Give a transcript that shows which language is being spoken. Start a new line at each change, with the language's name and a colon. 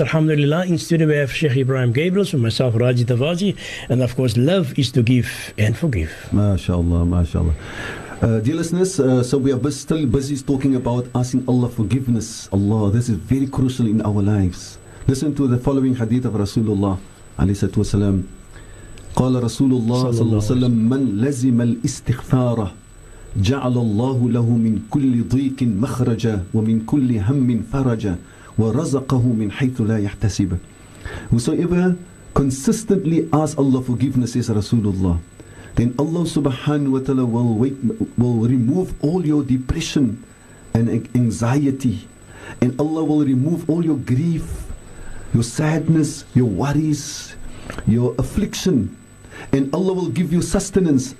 English: Alhamdulillah, in studio we have Sheikh Ebrahim Gabriels, and myself, Raji Tawazi, and of course, love is to give and forgive. MashaAllah, MashaAllah. Dear listeners, so we are still busy talking about asking Allah forgiveness. Allah, this is very crucial in our lives. Listen to the following hadith of Rasulullah
Arabic: عليه الصلاة والسلام. قال رسول الله صلى الله عليه وسلم من لزم الاستغفار جعل الله له من كل ضيق مخرجا ومن كل هم فرجا ورزقه من حيث لا يحتسب.
English: Whosoever consistently asks Allah forgiveness, says Rasulullah, then Allah subhanahu wa ta'ala will remove all your depression and anxiety, and Allah will remove all your grief, your sadness, your worries, your affliction, and Allah will give you sustenance.